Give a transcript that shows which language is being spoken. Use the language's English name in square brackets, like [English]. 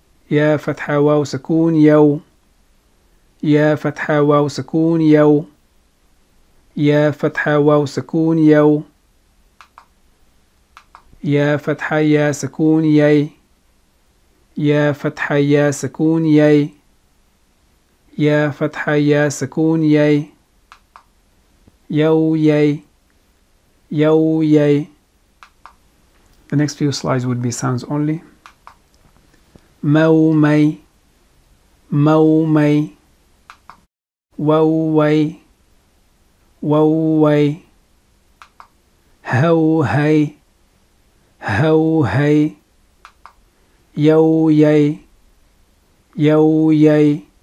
[Arabic] يا فتحة واو سكون يو يا فتحة واو سكون يو يا فتحة واو سكون يو يا فتحة يا سكون ياي يا فتحة يا سكون ياي يا فتحة يا سكون ياي يو ياي يو ياي. [English] The next few slides would be sounds only. [Arabic] مو مي مو مي وو وي وو وي هو هي هو هي يو ياي يو ياي.